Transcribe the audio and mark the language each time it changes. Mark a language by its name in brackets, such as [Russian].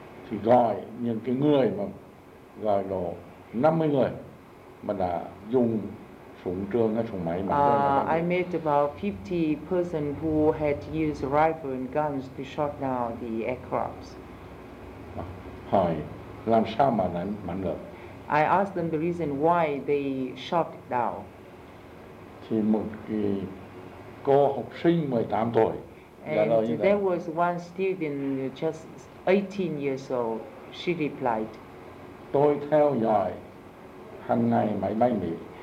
[Vietnamese] Thì gọi những cái người mà gọi đồ 50 người mà đã dùng súng trường hay súng máy. [English] I met about 50 person who had used rifle and guns to shot down the aircrafts. [Vietnamese] Hỏi làm sao mà đánh bắn được? [English] I asked them the reason why they shot down. [Vietnamese] Thì một cái cô học sinh 18 tuổi. [English] And there was one student just 18 years old. She replied. [Vietnamese] Tôi theo dõi hàng ngày máy bay Mỹ.